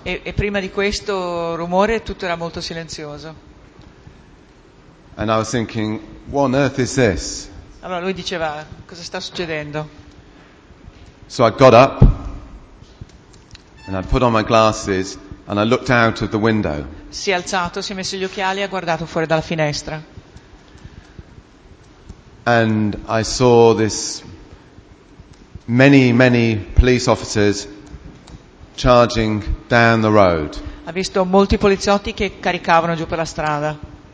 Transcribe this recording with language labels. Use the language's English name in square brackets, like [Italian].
[Italian] E prima di questo rumore tutto era molto silenzioso. [English] And I was thinking, what on earth is this? [Italian] Allora lui diceva, cosa sta succedendo? [English] So I got up. And I put on my glasses and I looked out of the window. [Italian] Si è alzato, si è messo gli occhiali e ha guardato fuori dalla finestra. [English] And I saw this many, many police officers charging down the road. [Italian] Ha visto molti poliziotti che caricavano giù per la strada.